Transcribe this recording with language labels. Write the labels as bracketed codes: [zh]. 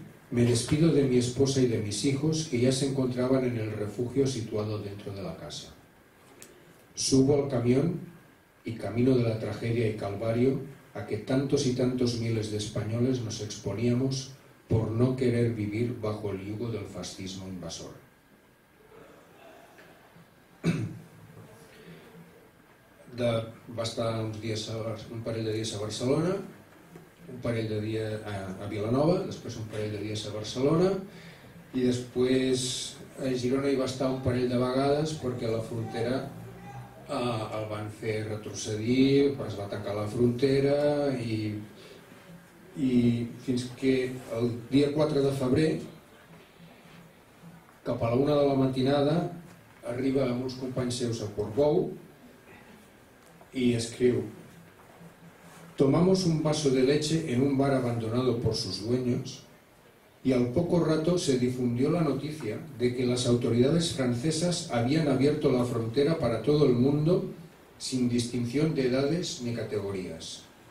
[es] Me despido de mi esposa y de mis hijos, que ya se encontraban en el refugio situado dentro de la casa. Subo al camión y camino de la tragedia y calvario a que tantos y tantos miles de españoles nos exponíamos por no querer vivir bajo el yugo del fascismo invasor. [ca] Va estar un parell de dies a Barcelona, un parell de dies a Vilanova, després un parell de dies a Barcelona, i després a Girona hi va estar un parell de vegades, perquè a la frontera el van fer retrocedir, es va tancar la frontera, i fins que el dia 4 de febrer, cap a la 1 de la matinada, arriba amb uns companys seus a Portbou i escriu: [es] Tomamos un vaso de leche en un bar abandonado por sus dueños y al poco rato se difundió la noticia de que las autoridades francesas habían abierto la frontera para todo el mundo sin distinción de edades ni categorías.